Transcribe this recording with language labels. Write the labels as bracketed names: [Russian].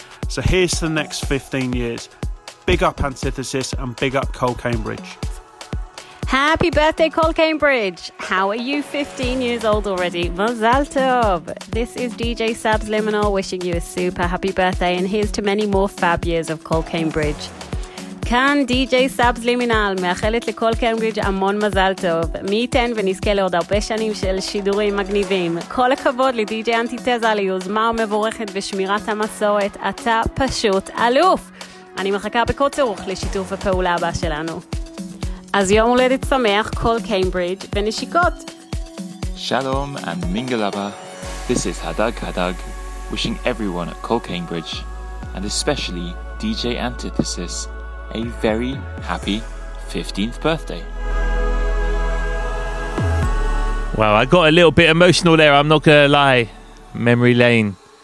[English] So here's the next 15 years. Big up Antithesis and big up Cole Cambridge. Happy birthday, Cole Cambridge. How are you 15 years old already? Mazal tov. This is DJ Subliminal wishing you a super happy birthday, and here's to many more fab years of Cole Cambridge. [Hebrew] כאן DJ Subliminal מאחלת לכל קיימברידג' המון מזל טוב. מי ייתן ונזכה לעוד הרבה שנים של שידורים מגניבים. כל הכבוד לדיג'י אנטיתזה על היוזמה ומבורכת בשמירת המסורת. אתה פשוט אלוף. אני מחכה בקוצר רוח לשיתוף הפעולה הבא שלנו. אז יום הולדת שמח, כל קיימברידג' ונשיקות. [English] שלום and mingle abba. This is Hadag Hadag wishing everyone at Cole Cambridge and especially DJ Antithesis a very happy 15th birthday. Wow, I got a little bit emotional there, I'm not gonna lie. Memory lane.